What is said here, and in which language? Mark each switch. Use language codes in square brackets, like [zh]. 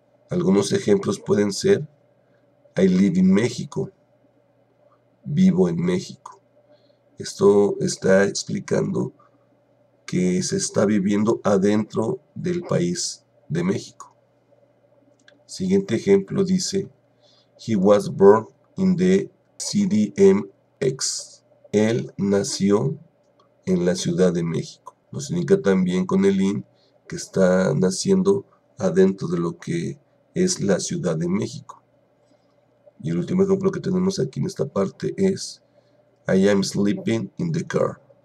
[es] Algunos ejemplos pueden ser: [en] I live in México, [es] vivo en México. Esto está explicando que se está viviendo adentro del país de México. Siguiente ejemplo dice: [en] He was born in the CDMX. [es] Él nació en la Ciudad de México. Nos indica también con el in que está naciendo adentro de lo que es la Ciudad de México. Y el último ejemplo que tenemos aquí en esta parte es [en] I am sleeping in the car.